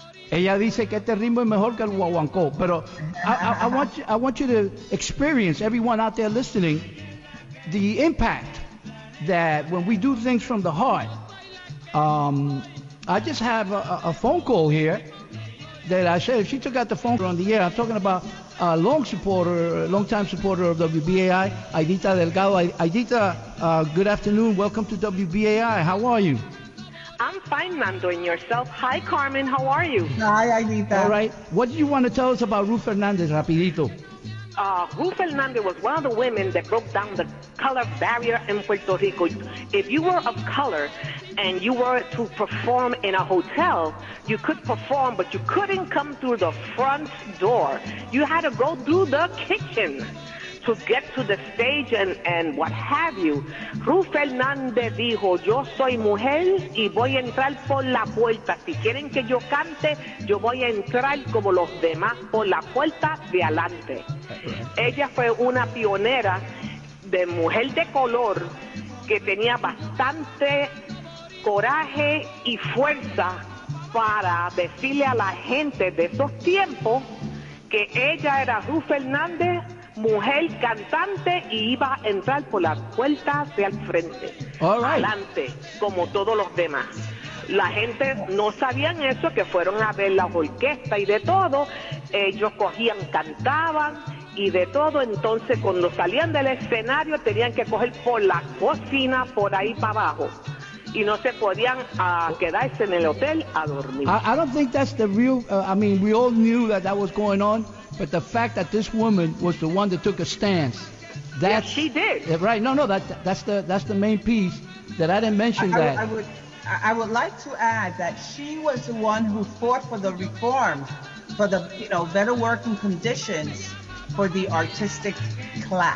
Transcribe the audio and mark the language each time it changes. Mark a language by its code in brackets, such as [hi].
[es] Ella dice que este ritmo es mejor que el guaguancó. [en] Pero I want you to experience, everyone out there listening, the impact that when we do things from the heart. I just have a phone call here that I said, she took out the phone on the air. I'm talking about a long-time supporter of WBAI, Aidita Delgado. Aidita, good afternoon. Welcome to WBAI. How are you? I'm fine, Nando, and yourself. Hi, Carmen. How are you? Hi, Aidita. All right. What do you want to tell us about Ruth Fernandez, rapidito? Ruth Hernandez was one of the women that broke down the color barrier in Puerto Rico. If you were of color and you were to perform in a hotel, you could perform, but you couldn't come through the front door. You had to go through the kitchen to get to the stage and what have you. [es] Ruth Hernandez dijo, yo soy mujer y voy a entrar por la puerta. Si quieren que yo cante, yo voy a entrar como los demás por la puerta de adelante. Ella fue una pionera de mujer de color que tenía bastante coraje y fuerza para decirle a la gente de esos tiempos que ella era Ruth Hernandez, mujer cantante, y iba a entrar por las puertas de al frente, [en] right, [es] adelante, como todos los demás. La gente no sabían eso, que fueron a ver las orquestas y de todo, ellos cogían, cantaban y de todo. Entonces, cuando salían del escenario, tenían que coger por la cocina, por ahí para abajo, y no se podían quedarse en el hotel a dormir. [en] I don't think that's the real, we all knew that was going on. But the fact that this woman was the one that took a stance, that's... Yes, she did. Right, no, that's the main piece that I didn't mention that. I would like to add that she was the one who fought for the reforms, for the, you know, better working conditions for the artistic class.